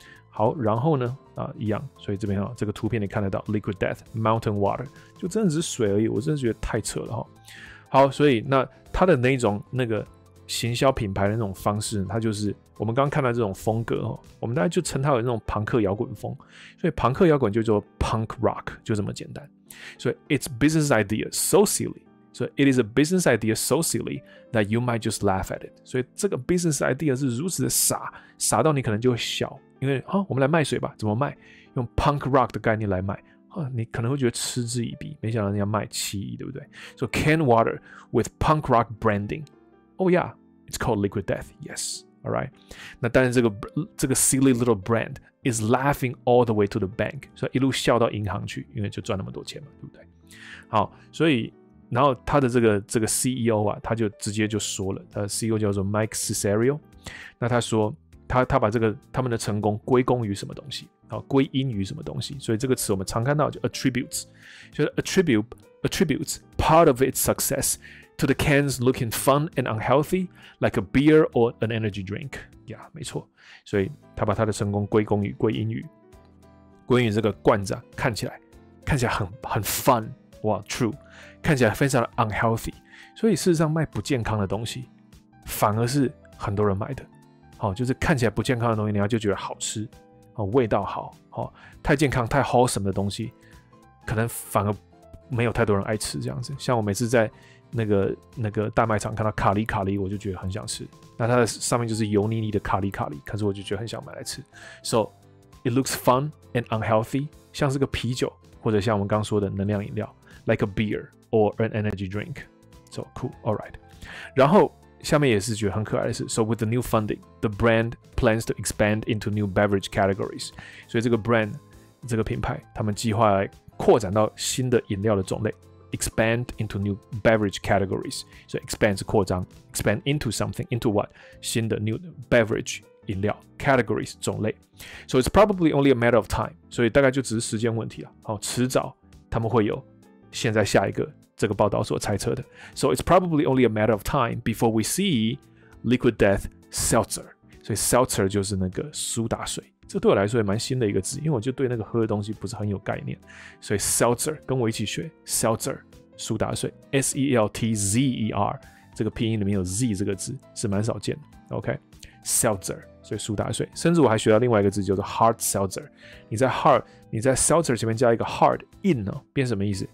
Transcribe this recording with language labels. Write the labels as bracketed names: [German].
[Chinese] 好，然后呢一样，所以这边这个图片你看得到 liquid death mountain water， 就真的只是水而已，我真的觉得太扯了。好，所以那他的那种那个行销品牌的那种方式，他就是我们刚刚看到这种风格，我们大概就称他有那种朋克摇滚风，所以朋克摇滚就叫 punk rock， 就这么简单。 [English] 所以 it's business idea so silly， 所以 it is a business idea so silly that you might just laugh at it， [Chinese] 所以这个 business idea 是如此的傻，傻到你可能就会笑，因为我们来卖水吧，怎么卖？用 punk rock 的概念来卖，你可能会觉得嗤之以鼻，没想到人家卖七亿，对不对？ [English] So canned water with punk rock branding， oh yeah， it's called liquid death， yes， all right。 [Chinese] 那但是这个 [English] silly little brand is laughing all the way to the bank， [Chinese] 所以一路笑到银行去，因为就赚那么多钱嘛，对不对？好，所以然后他的这个 CEO 啊，他就直接就说了，CEO 叫做 Mike Cesario， 那他说。他把这个他们的成功归功于什么东西？好，归因于什么东西？所以这个词我们常看到就 attributes， 就是 [English] attributes part of its success to the cans looking fun and unhealthy like a beer or an energy drink。 [Chinese] yeah， 没错，所以他把他的成功归因于这个罐子、啊、看起来很 fun， 哇 true， 看起来非常的 unhealthy， 所以事实上卖不健康的东西反而是很多人买的。哦、就是看起来不健康的东西，你要就觉得好吃、哦、味道好、哦、太健康太 wholesome 的东西可能反而没有太多人爱吃这样子。像我每次在那个大卖场看到卡里卡里，我就觉得很想吃。那它的上面就是油腻腻的卡里卡里，可是我就觉得很想买来吃。 [English] So it looks fun and unhealthy， [Chinese] 像是个啤酒，或者像我们刚说的能量饮料 ， [English] like a beer or an energy drink。 So cool, all right。 [Chinese] 然后下面也是觉得很可爱的是 ， [English] So with the new funding, the brand plans to expand into new beverage categories。 [Chinese] 所以这个 brand 这个品牌，他们计划来扩展到新的饮料的种类。 [English] Expand into new beverage categories. So expand [Chinese] 是扩张 [English] expand into something, into what? 新的 new beverage 饮料 categories 种类 So it's probably only a matter of time. [Chinese] 所以大概就只是时间问题了。好，迟早他们会有现在下一个这个报道所猜测的 [English] So it's probably only a matter of time before we see liquid death seltzer. [Chinese] 所以 seltzer 就是那个苏打水。这对我来说也蛮新的一个字，因为我就对那个喝的东西不是很有概念，所以 seltzer 跟我一起学 seltzer 苏打水 S E L T Z E R 这个拼音里面有 Z 这个字是蛮少见的 ，OK seltzer 所以苏打水，甚至我还学到另外一个字叫做 hard seltzer， 你在 seltzer 前面加一个 hard in 呢、哦，变什么意思？